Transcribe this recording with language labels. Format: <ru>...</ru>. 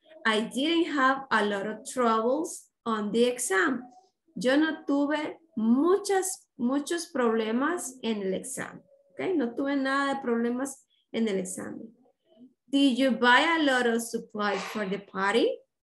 <en>I didn't have a lot of troubles on the exam.</en> <es>Yo no tuve muchos problemas en el examen. ¿Ok? No tuve nada de problemas en el examen.</es> <en>Did you buy a lot of supplies for the party?</en>